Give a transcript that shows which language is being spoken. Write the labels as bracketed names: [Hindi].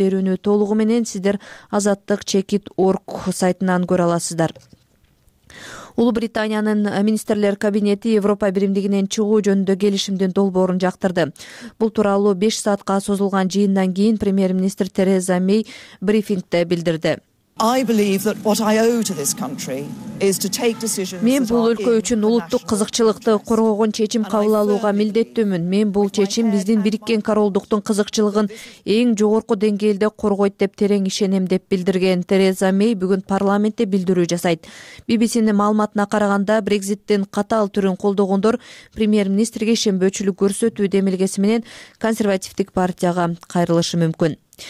[Kyrgyz] Берүүнү толугу менен сиздер азаттык чекит.орг сайтынан көрө аласыздар. Улуу Британиянын министрлер кабинети Европа биримдигинен чыгуу жөнүндө келишимдин долбоорун жактырды. Бул тууралуу 5 саатка созулган жыйындан кийин премьер-министр Тереза Мэй брифингде билдирди. [English] I believe that what I owe to this country is to take decisions. [Kyrgyz] Мен бул өлкө үчүн улуттук кызыкчылыкты коргогон чечим кабыл алууга милдеттүүмүн. Мен бул чечим биздин бириккен королдуктун кызыкчылыгын эң жогорку деңгээлде коргойт деп терең ишенем деп билдирген Тереза Мэй бүгүн парламентте билдирүү жасайт. BBC'нин маалыматына караганда, Brexit'тин катаал түрүн колдогондор премьер-министрге ишенбөөчүлүк көрсөтүү демилгеси менен консервативдик партияга кайрылышы мүмкүн.